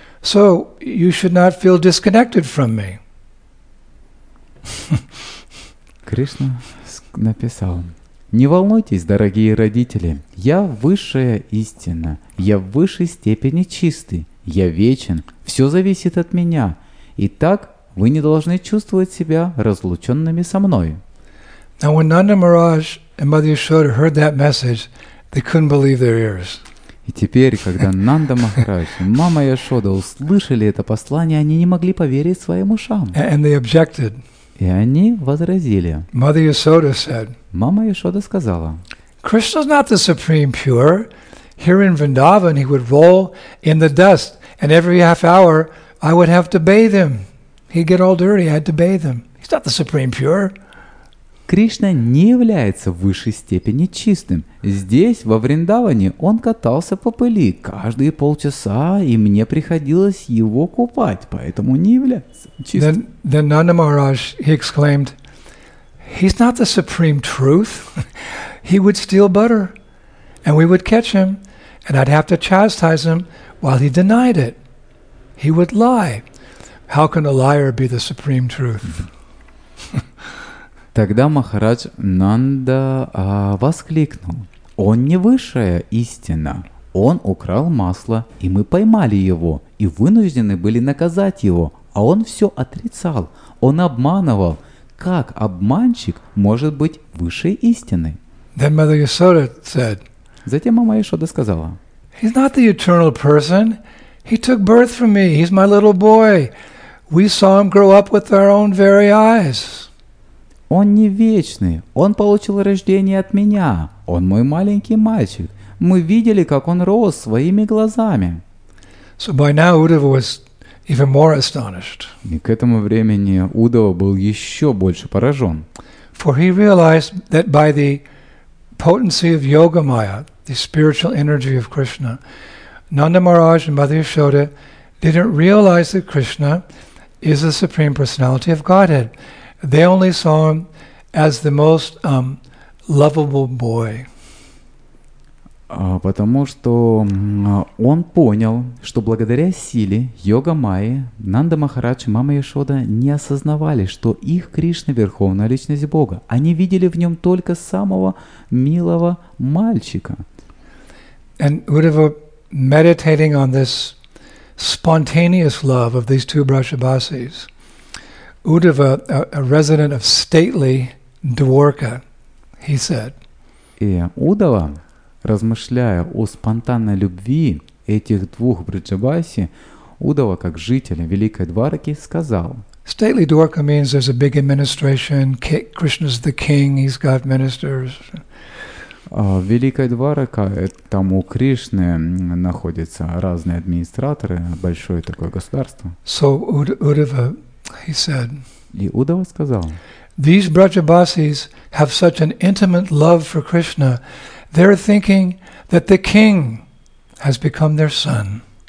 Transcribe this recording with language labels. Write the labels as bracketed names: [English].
[English] So you should not feel disconnected from me. [Russian] Кришна написал: «Не волнуйтесь, дорогие родители, я высшая истина, я в высшей степени чистый, я вечен, все зависит от меня, и так вы не должны чувствовать себя разлученными со мной». [English] Now when Nanda Maharaj and Mother Yashoda heard that message, they couldn't believe their ears. [Russian] И теперь, когда Нанда Махарадж и Мама Яшода услышали это послание, они не могли поверить своим ушам. [English] And they objected. [Russian] И они возразили. [English] Mother Yashoda said, [Russian] Мама Яшода сказала, [English] Krishna's not the supreme pure. Here in Vrindavan he would roll in the dust, and every half hour I would have to bathe him. He'd get all dirty, I had to bathe him. He's not the supreme pure. [Russian] Кришна не является в высшей степени чистым. Здесь, во Вриндаване, он катался по пыли каждые полчаса, и мне приходилось его купать, поэтому не является чистым. [English] Then Nanda Maharaj, he exclaimed, he's not the supreme truth. He would steal butter, and we would catch him, and I'd have to chastise him while he denied it. He would lie. How can a liar be the supreme truth? [Russian] Тогда Махарадж Нанда воскликнул: «Он не высшая истина. Он украл масло, и мы поймали его, и вынуждены были наказать его, а он все отрицал. Он обманывал. Как обманщик может быть высшей истиной?» [English] Then Mother Yasoda said, [Russian] затем мама Яшода сказала: [English] «He's not the eternal person. He took birth from me. He's my little boy. We saw him grow up with our own very eyes. [Russian] Он не вечный. Он получил рождение от меня. Он мой маленький мальчик. Мы видели, как он рос своими глазами». [English] So by now Uddhava was even more astonished. [Russian] И к этому времени Уддхава был еще больше поражен. [English] For he realized that by the potency of yoga maya, the spiritual energy of Krishna, Nanda Maharaj and Mother Yashoda didn't realize that Krishna is the Supreme Personality of Godhead. They only saw him as the most lovable boy. [Russian] Потому что он понял, что благодаря силе йога майи Нанда Махарадж и мама Яшода не осознавали, что их Кришна – Верховная Личность Бога. Они видели в нем только самого милого мальчика. [English] And Uddhava, meditating on this spontaneous love of these two Vrishabhasis, Uddhava, a resident of stately Dwarka, he said, [Russian] и Уддхава, размышляя о спонтанной любви этих двух Вриджабаси, Уддхава, как житель Великой Дварки, сказал: [English] stately Dwarka means there's a big administration, Krishna's the king, he's got ministers. [Russian] Великая Дварака, там у Кришны находятся разные администраторы, большое такое государство. [English] So Uddhava, he said, [Russian] и Уддхава сказал: [English] these Vrijabhasis have such an intimate love for Krishna, they're thinking that the king has become their son.